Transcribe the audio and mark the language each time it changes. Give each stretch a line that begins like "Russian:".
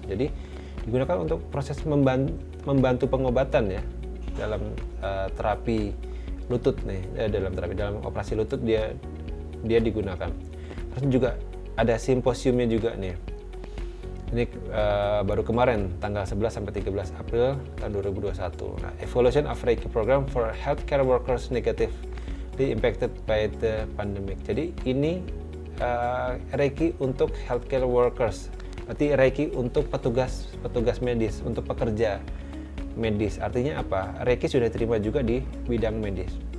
Indonesian: Jadi digunakan untuk proses membantu pengobatan ya dalam terapi lutut nih, dalam operasi lutut dia digunakan. Terus juga ada simposiumnya juga nih. Ini baru kemarin tanggal 11 sampai 13 April tahun 2021.
English: Nah, Evolution of Reiki Program for Healthcare Workers Negatively Impacted by the Pandemic.
Indonesian: Jadi ini Reiki untuk healthcare workers. Berarti Reiki untuk petugas medis, untuk pekerja medis. Artinya apa? Reiki sudah diterima juga di bidang medis.